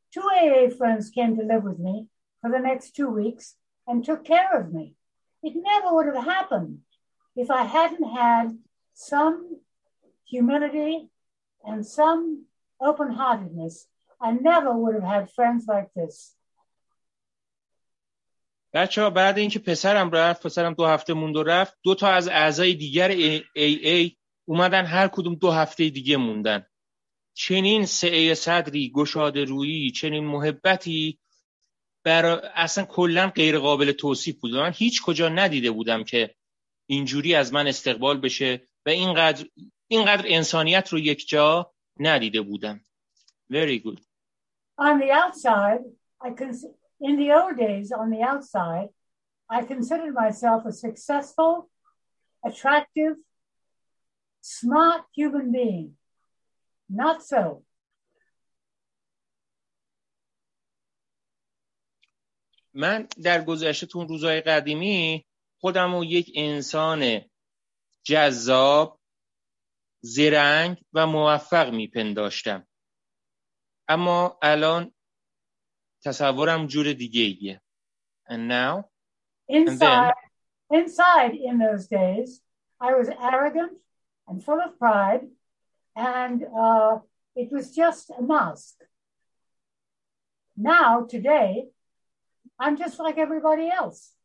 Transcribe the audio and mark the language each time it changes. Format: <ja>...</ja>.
<en>Two AA friends came to live with me for the next 2 weeks and took care of me. It never would have happened if I hadn't had some humility and some open-heartedness. I never would have had friends like this.</en> <fa>بچه ها بعد اینکه پسرم رفت، پسرم 2 هفته موند و رفت، 2 تا از اعضای دیگر AA اومدن، هر کدوم 2 هفته دیگه موندن. چنین سعه صدری، گشاده رویی، چنین محبتی اصلا کلن غیر قابل توصیف بود. من هیچ کجا ندیده بودم که اینجوری از من استقبال بشه و اینقدر انسانیت رو یک جا ندیده بودم.</fa> <en>Very good. On the outside, in the old days, on the outside, I considered myself a successful, attractive, smart human being. Not so.</en> <fa>من در گذشته تون روزهای قدیمی خودم رو یک انسان جذاب، زرنگ و موفق میپنداشتم. اما الان تصورم جور دیگه‌ایه.</fa> <en>And now inside in those days I was arrogant and full of pride and it was just a mask. Now today I'm just like everybody else.</en>